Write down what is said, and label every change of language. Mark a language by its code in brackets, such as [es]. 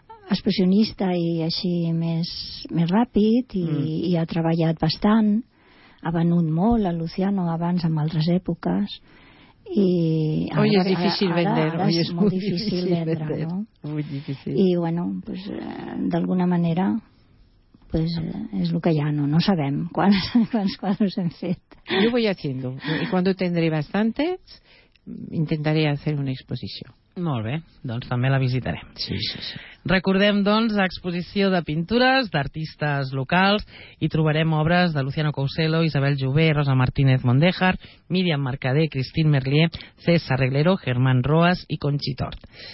[ca] expressionista i així més ràpid i ha treballat bastant, ha venut molt a Luciano abans en altres èpoques i avui és difícil vendre, és molt difícil vendre, no? Molt difícil. I bueno, pues d'alguna manera pues és el que hi ha, no sabem quants quadres hem fet. [es] Jo voy haciendo y cuando tendré bastantes intentaré hacer una exposición. [ca] Molt bé, doncs també la visitarem. Sí. Recordem, doncs, exposició de pintures d'artistes locals i trobarem obres de Luciano Couselo, Isabel Jové, Rosa Martínez Mondéjar, Míriam Mercader, Christine Merlier, César Reglero, Germán Roas i Conchita Hort.